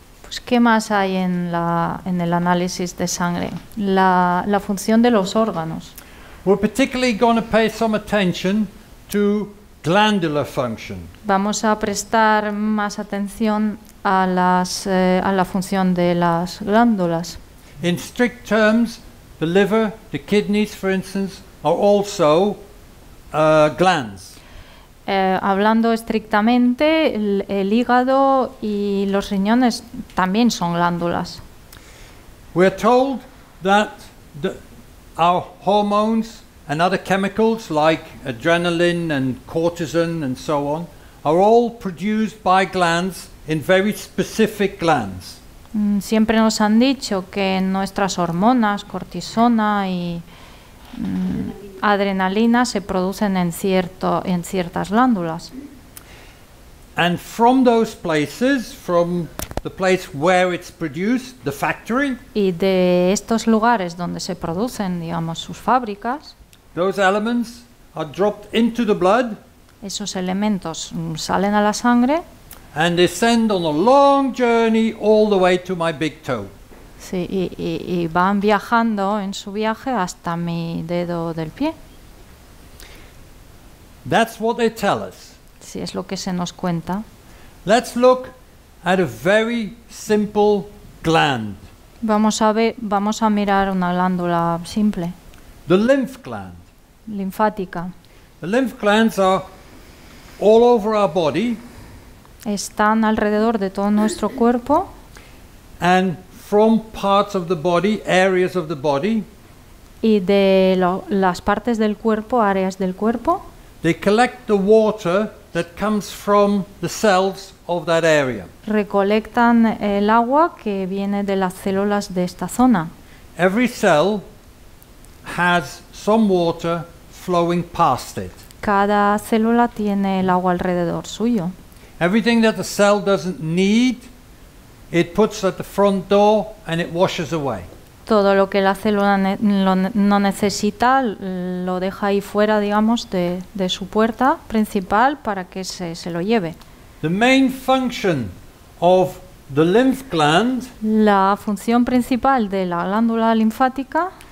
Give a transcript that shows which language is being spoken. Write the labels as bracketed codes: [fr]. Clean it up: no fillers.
[es] Pues ¿qué más hay en el análisis de sangre? La función de los órganos. [en] We're particularly going to pay some attention to glandular function. [es] Vamos a prestar más atención a la función de las glándulas. [en] In strict terms, the liver, the kidneys, for instance, are also glands. [es] Hablando estrictamente, el hígado y los riñones también son glándulas. [en] We're told that our hormones and other chemicals like adrenaline and cortisol and so on are all produced by glands in very specific glands. [es] Siempre nos han dicho que nuestras hormonas, cortisona y adrenalina, se producen en ciertas glándulas. [en] And from those places, from the place where it's produced, the factory. [es] Y de estos lugares donde se producen, digamos, sus fábricas. [en] Those elements are dropped into the blood. [es] Esos elementos salen a la sangre. [en] And descend on a long journey all the way to my big toe. [es] Sí, y van viajando en su viaje hasta mi dedo del pie. [en] That's what they tell us. [es] Sí, es lo que se nos cuenta. [en] Let's look at a very simple gland. [es] Vamos a mirar una glándula simple. [en] The lymph gland. [es] Linfática. [en] The lymph glands are all over our body. [es] Están alrededor de todo nuestro cuerpo. [en] And from parts of the body, areas of the body. [es] Y de las partes del cuerpo, áreas del cuerpo. [en] They collect the water that comes from the cells of that area. [es] Recolectan el agua que viene de las células de esta zona. [en] Every cell has some water flowing past it. [es] Cada célula tiene el agua alrededor suyo. [en] Everything that the cell doesn't need, it puts at the front door and it washes away. [es] Todo lo que la célula no necesita lo deja ahí fuera, digamos, de su puerta principal para que se lo lleve. [en] The main function of the lymph gland, [es] la función principal de la glándula linfática,